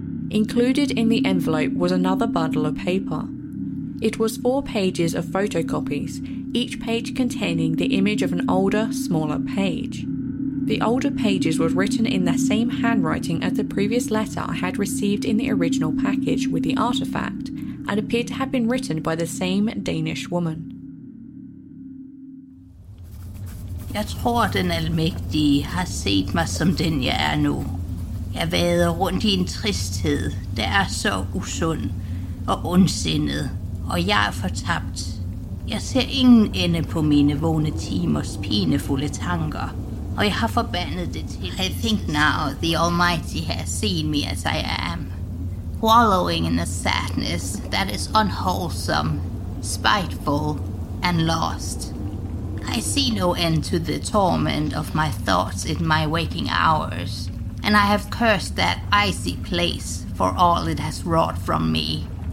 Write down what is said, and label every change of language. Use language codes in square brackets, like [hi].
[en] Included in the envelope was another bundle of paper. It was 4 pages of photocopies, each page containing the image of an older, smaller page. The older pages were written in the same handwriting as the previous letter I had received in the original package with the artifact, and appeared to have been written by the same Danish woman. [da] Jeg tror, den almægtige har set mig, som den jeg er nu. Jeg vader rundt i en tristhed, der er så usund og ondsindet, og jeg er fortabt. Jeg ser ingen ende på mine vågne timers pinefulde tanker, og jeg har forbandet det til. [en] I think now the Almighty has seen me as I am, wallowing in a sadness that is unwholesome, spiteful, and lost. I see no end to the torment of my thoughts in my waking hours, and I have cursed that icy place for all it has wrought from me.